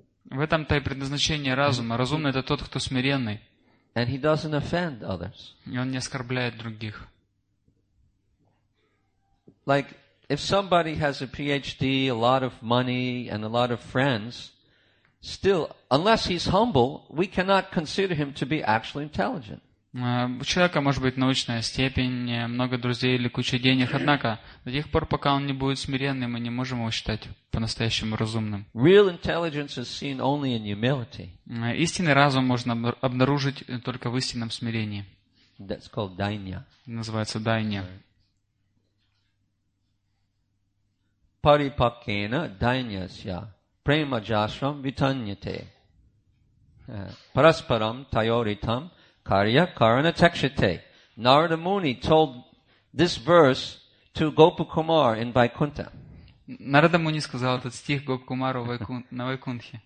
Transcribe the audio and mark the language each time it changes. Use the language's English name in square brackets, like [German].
[Russian] В этом-то и предназначение разума. Разумный это тот, кто смиренный. [English] And he doesn't offend others. [Russian] И он не оскорбляет других. [English] Like if somebody has a PhD, a lot of money and a lot of friends, still, unless he's humble, we cannot consider him to be actually intelligent. [Russian] У человека может быть научная степень, много друзей или куча денег, однако до тех пор, пока он не будет смиренным, мы не можем его считать по-настоящему разумным. [English] Real intelligence is seen only in humility. [Russian] Истинный разум можно обнаружить только в истинном смирении. [English] That's called dānya. [Russian] Называется дайня. [Sanskrit] Парипакена дайнясья према джасрам витаньяте параспарам тайоритам карья карана текшите. [English] Нарада Муни told this verse to Гопу Кумар in Вайкунта. [Russian] Нарада Муни сказал этот стих Гопу Кумару на Вайкунте.